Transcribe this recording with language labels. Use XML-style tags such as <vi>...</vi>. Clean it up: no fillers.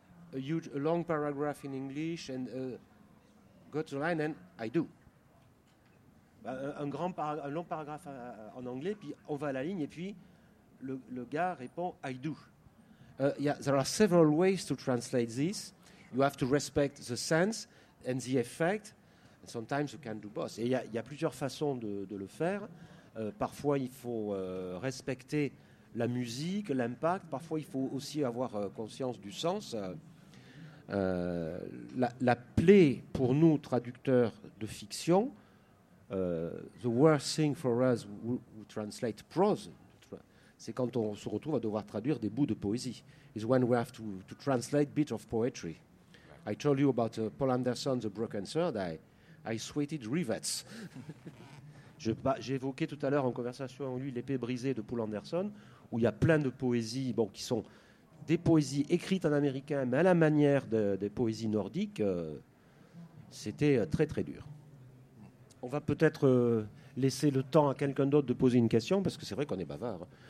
<en>When you have a long paragraph in English and go to the line, and I do.</en> <fr>Un long paragraphe en anglais, puis on va à la ligne, et puis le gars répond,</fr> <en>I do. Yeah, there are several ways to translate this. You have to respect the sense and the effect. And sometimes you can do both.</en> <fr>Et il y a plusieurs façons de le faire. Parfois, il faut respecter la musique, l'impact. Parfois, il faut aussi avoir conscience du sens. La plaie pour nous, traducteurs de fiction,</fr> <en>the worst thing for us who translate prose,</en> <fr>c'est quand on se retrouve à devoir traduire des bouts de poésie.</fr> <en>Is when we have to translate bits of poetry. I told you about Paul Anderson, The Broken Sword. I sweated rivets.</en> <fr>J'évoquais tout à l'heure en conversation avec lui l'épée brisée de Paul Anderson, où il y a plein de poésies, bon, qui sont des poésies écrites en américain, mais à la manière des poésies nordiques. C'était très très dur. On va peut-être laisser le temps à quelqu'un d'autre de poser une question, parce que c'est vrai qu'on est bavard.</fr>